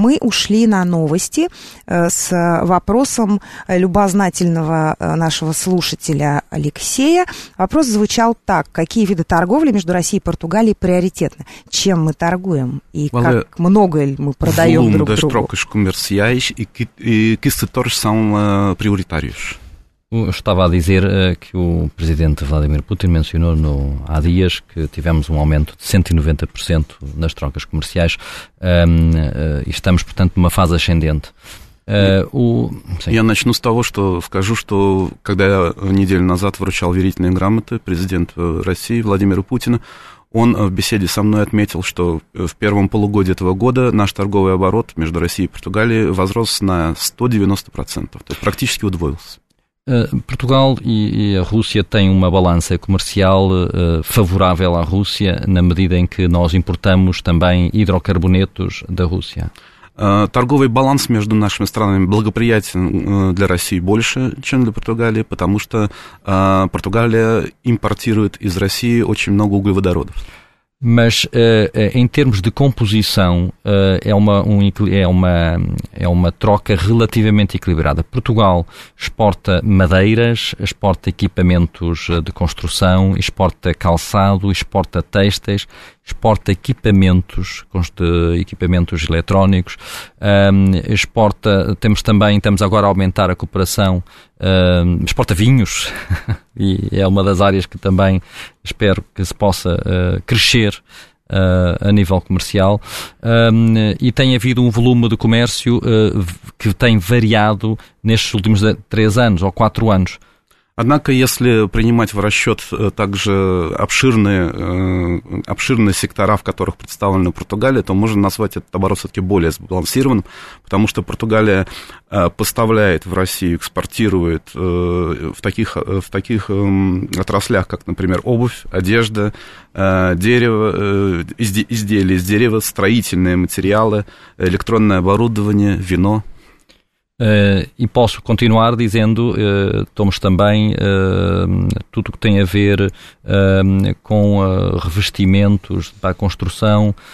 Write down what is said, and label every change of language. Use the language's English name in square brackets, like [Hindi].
[Russian] Мы ушли на новости с вопросом любознательного нашего слушателя Алексея. Вопрос звучал так: какие виды торговли между Россией и Португалией приоритетны? Чем мы торгуем? И как много ли мы продаем друг другу? [Portuguese] Volume das trocas comerciais e que setores são prioritários? Eu estava a dizer que o presidente Vladimir Putin mencionou no, há dias que tivemos um aumento de 190% nas trocas comerciais e estamos, portanto, numa fase ascendente. [Russian] Я начну с того, что скажу, что когда я неделю назад вручал верительные грамоты президенту России Владимиру Путину, он в беседе со мной отметил, что в первом полугодии этого года наш торговый оборот между Россией и Португалией возрос на 190%, то есть практически удвоился. [Portuguese] Portugal e a Rússia têm uma balança comercial favorável à Rússia, na medida em que nós importamos também hidrocarbonetos da Rússia. [Russian] Торговый баланс между нашими странами благоприятен для России больше, чем для Португалии, потому что Португалия импортирует из России очень много углеводородов. [Portuguese] Mas em termos de composição, é uma troca relativamente equilibrada. Portugal exporta madeiras, exporta equipamentos de construção, exporta calçado, exporta têxteis, exporta equipamentos eletrónicos, exporta, estamos agora a aumentar a cooperação, exporta vinhos, e é uma das áreas que também espero que se possa crescer a nível comercial, e tem havido um volume de comércio que tem variado nestes últimos 3 anos ou 4 anos. [Russian] Однако, если принимать в расчет также обширные сектора, в которых представлена Португалия, то можно назвать этот оборот все-таки более сбалансированным, потому что Португалия поставляет в Россию, экспортирует в таких отраслях, как, например, обувь, одежда, дерево, изделия из дерева, строительные материалы, электронное оборудование, вино. [Portuguese] E posso continuar dizendo, temos também tudo o que tem a ver com revestimentos para a construção.